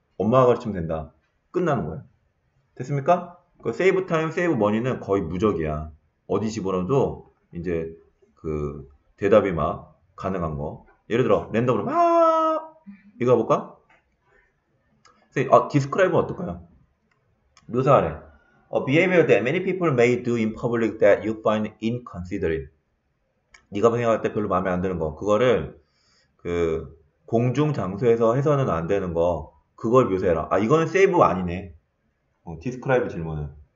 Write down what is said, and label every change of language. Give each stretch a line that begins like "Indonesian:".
Korean: 엄마가 가르치면 된다. 끝나는 거야. 됐습니까? 그
English: save time, save money
Korean: 는 거의 무적이야. 어디 집어넣어도 이제 그 대답이 막 가능한 거. 예를 들어, 랜덤으로 막 이거 해볼까? 디스크라이브 어떨까요? 묘사하래.
English: A behavior that many people may do in public that you find inconsiderate.
Korean: 네가 생각할 때 별로 마음에 안 드는 거. 그거를 그 공중 장소에서 해서는 안 되는 거. 그걸 묘사해라. 아, 이거는 세이브 아니네. 디스크라이브 질문은.